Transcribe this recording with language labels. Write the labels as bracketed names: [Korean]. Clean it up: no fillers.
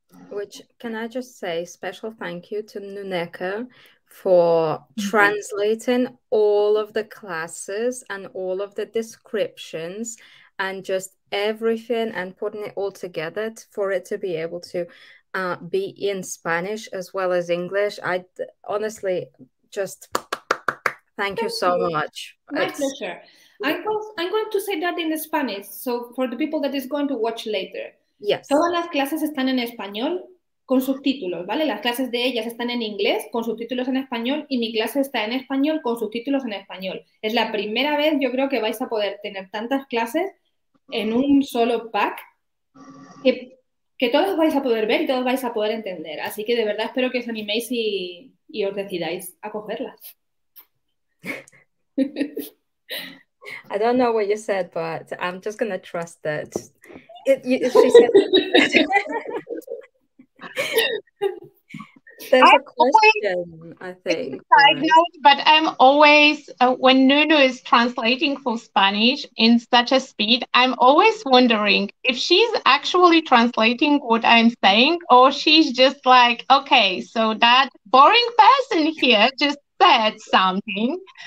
[English] Which, can I just say special thank you to Nuneka for translating all of the classes and all of the descriptions and just everything and putting it all together for it to be able to be in Spanish as well as English. I honestly just thank you so much. My pleasure. I'm going to say that in Spanish, so for the people that is going to watch later. Yes. [Spanish] Todas las clases están en español con subtítulos, ¿vale? Las clases de ellas están en inglés con subtítulos en español y mi clase está en español con subtítulos en español. Es la primera vez, yo creo, que vais a poder tener tantas clases en un solo pack que todos vais a poder ver y todos vais a poder entender. Así que de verdad espero que os animéis y os decidáis a cogerlas. [English] I don't know what you said, but I'm just going to trust that. She said there's a question, I think. But I'm always, when Nuno is translating for Spanish in such a speed, I'm always wondering if she's actually translating what I'm saying, or she's just like, okay, so that boring person here just said something.